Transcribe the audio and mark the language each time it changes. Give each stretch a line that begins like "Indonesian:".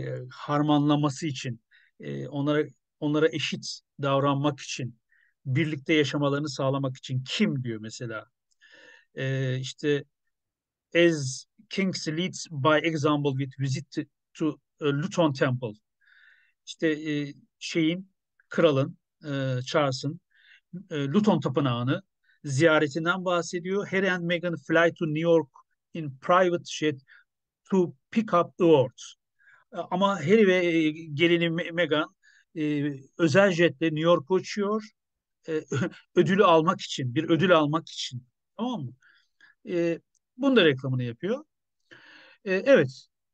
Turkish: Harmanlaması için, onlara eşit davranmak için, birlikte yaşamalarını sağlamak için kim diyor mesela? İşte
English: as kings lead by example with visit to Luton Temple.
Turkish: İşte şeyin, kralın, Charles'ın Luton Tapınağı'nı ziyaretinden bahsediyor.
English: Harry and Meghan fly to New York in private jet to pick up award.
Turkish: Ama Harry ve gelini Meghan özel jetle New York'a uçuyor. Ödülü almak için, bir ödül almak için. Tamam mı? Bunu da reklamını yapıyor. Evet.